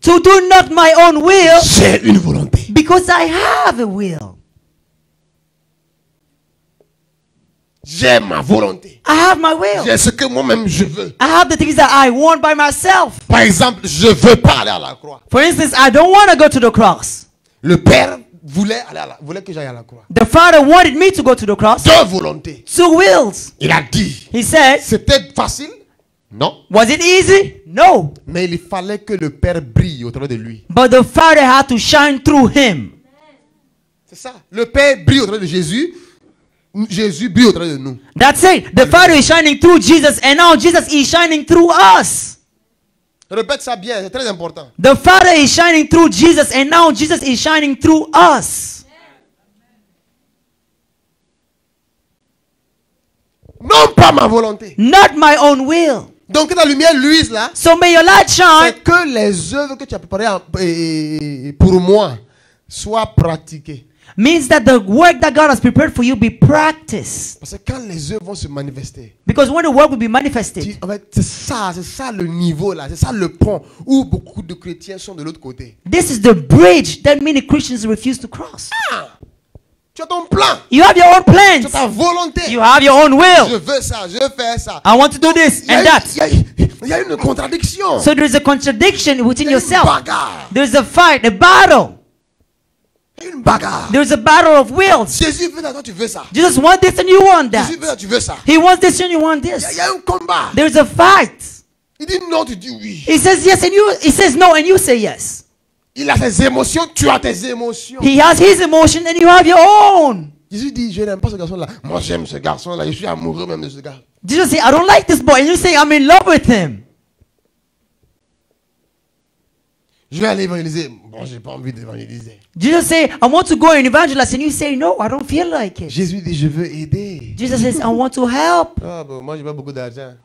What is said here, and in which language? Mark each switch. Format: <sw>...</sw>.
<en>To do not my own will.</en> <fr>J'ai une volonté.</fr> <en>Because I have a will.</en> <fr>J'ai ma volonté.</fr> <en>I have my will.</en> <fr>J'ai ce que moi-même je veux.</fr> <en>I have the things that I want by myself.</en> <fr>Par exemple, je veux pas aller à la croix.</fr> <en>For instance, I don't want to go to the cross.</en> <fr>Le Père voulait aller à la, voulait que j'aille à la croix.</fr> <en>The Father wanted me to go to the cross.</en> <fr>Deux volontés.</fr> <en>Two wills.</en> <fr>Il a dit.</fr> <en>He said.</en> <fr>C'était facile? Non.</fr> <en>Was it easy? No.</en> <fr>Mais il fallait que le Père brille au travers de lui.</fr> <en>But the Father had to shine through him.</en> <fr>C'est ça. Le Père brille au travers de Jésus. Jésus brille au travers de nous.</fr> <en>That's it. The Father is shining through Jesus, and now Jesus is shining through us.</en> <fr>Répète ça bien, c'est très important.</fr> <en>The Father is shining through Jesus, and now Jesus is shining through us.</en> <fr>Non pas ma volonté.</fr> <en>Not my own will.</en> <fr>Donc que ta lumière luise là.</fr> <en>So may your light shine.</en> <fr>C'est que les œuvres que tu as préparées pour moi soient pratiquées.</fr> <en>Means that the work that God has prepared for you be practiced.</en> <fr>Parce que quand les œuvres vont se manifester.</fr> <en>Because when the work will be manifested.</en> <fr>Tu, en fait, c'est ça le niveau là, c'est ça le pont où beaucoup de chrétiens sont de l'autre côté.</fr> <en>This is the bridge that many Christians refuse to cross.</en> <fr>Ah, tu as ton plan.</fr> <en>You have your own plans.</en> <fr>Tu as ta volonté.</fr> <en>You have your own will.</en> <fr>Je veux ça, je veux faire ça.</fr> <en>I want to do this and that.</en> <fr>Il y a une contradiction.</fr> <en>So there is a contradiction within yourself.</en> <fr>Bagarre.</fr> <en>There is a fight, a battle.</en> <fr>Une bagarre.</fr> <en>There's a battle of wills.</en> <fr>Jésus veut ça, tu veux ça.</fr> <en>Jesus wants this and you want that.</en> <fr>Jésus veut ça, tu veux ça.</fr> <en>He wants this and you want this.</en> <fr>Il y a un combat.</fr> <en>There's a fight.</en> <fr>Il dit non, tu dis oui.</fr> <en>He says yes and you. He says no and you say yes.</en> <fr>Il a ses émotions, tu as tes émotions.</fr> <en>He has his emotion and you have your own.</en> <fr>Jésus dit, je n'aime pas ce garçon là. Moi j'aime ce garçon là. Je suis amoureux même de ce gars.</fr> <en>Jesus say, I don't like this boy. And you say, I'm in love with him.</en> <fr>Je vais aller évangéliser. Bon, j'ai pas envie d'évangéliser.</fr> <en>Jesus say, I want to go and evangelize, and you say no, I don't feel like it.</en> <fr>Jésus dit, je veux aider.</fr> <en>Jesus says, I want to help.</en> <fr>Oh, bon, moi j'ai pas beaucoup d'argent.</fr>